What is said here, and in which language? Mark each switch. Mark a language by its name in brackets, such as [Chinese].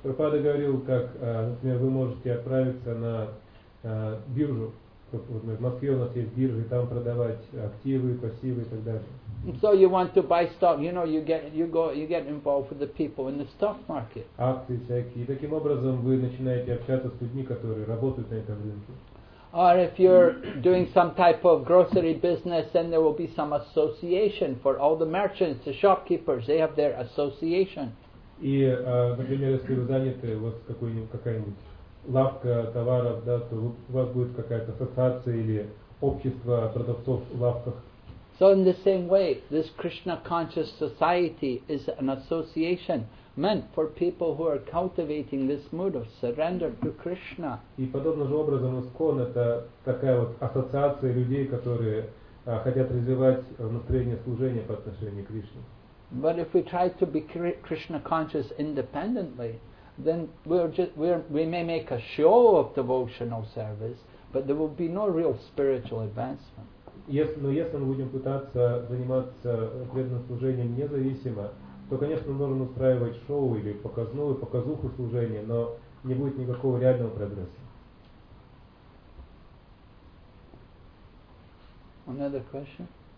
[Russian] Прабхупада говорил, как, например, вы можете отправиться на биржу. в Москве у нас есть биржи, там продавать активы, пассивы и так далее. [English] So you want to buy stock, you know, you get involved with the people in the stock market. [Russian] Акции всякие. Таким образом вы начинаете общаться с людьми, которые работают на этом рынке. [English] Or if you're doing some type of grocery business, then there will be some association for all the merchants, the shopkeepers, they have their association. [Russian] И, например, если вы заняты, у вас какая-нибудь лавка товаров, да, то у вас будет какая-то ассоциация или общество продавцов в лавках. [English] So in the same way, this Krishna conscious society is an association meant for people who are cultivating this mood of surrender to Krishna. [Russian] И подобным же образом ISKCON — это такая вот ассоциация людей, которые хотят развивать настроение служения по отношению к Кришне. [English] But if we try to be Krishna conscious independently, then we may make a show of devotional service, but there will be no real spiritual advancement. [Russian] Если мы будем пытаться заниматься преданным служением независимо, то, конечно, нужно устраивать шоу или показуху служения, но не будет никакого реального прогресса. [English] Another question?